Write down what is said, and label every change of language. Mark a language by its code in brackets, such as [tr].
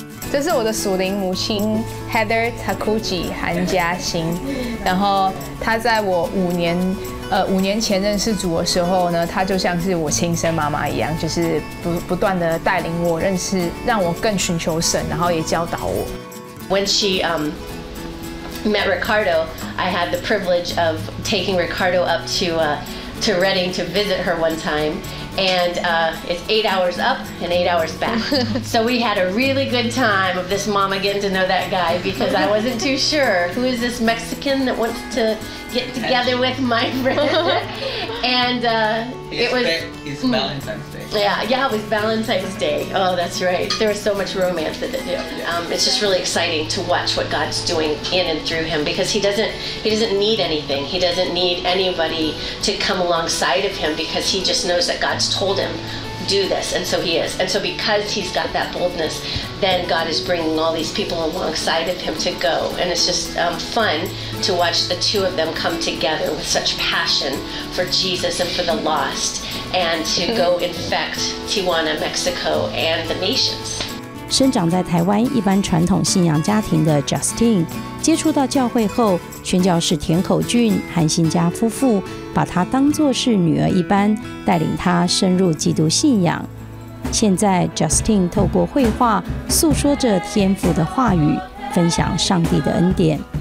[zh] 这是我的属灵母亲 Heather Takuji 韩嘉欣，然后她在我五年前认识主的时候呢，她就像是我亲生妈妈一样，就是不断的带领我认识，让我更寻求神，然后也教导我。 [en] When she met Ricardo, I had the privilege of taking Ricardo up to Reading to visit her one time. And it's 8 hours up and 8 hours back. So we had a really good time of this mama getting to know that guy because I wasn't too sure. Who is this Mexican that wants to get together with my friend? And it's Valentine's Day. Yeah, it was Valentine's Day. Oh, that's right. There was so much romance in it. It's just really exciting to watch what God's doing in and through him because he doesn't need anything. He doesn't need anybody to come alongside of him because he just knows that God's told him, do this, and so he is. And so because he's got that boldness, then God is bringing all these people alongside of him to go. And it's just fun to watch the two of them come together with such passion for Jesus and for the lost, and to go infect Tijuana, Mexico, and the nations. [zh] 生长在台湾一般传统信仰家庭的 Justin 接触到教会后，宣教士田口俊、韩信佳夫妇把他当作是女儿一般，带领他深入基督信仰。现在 Justin 透过绘画诉说着天父的话语，分享上帝的恩典。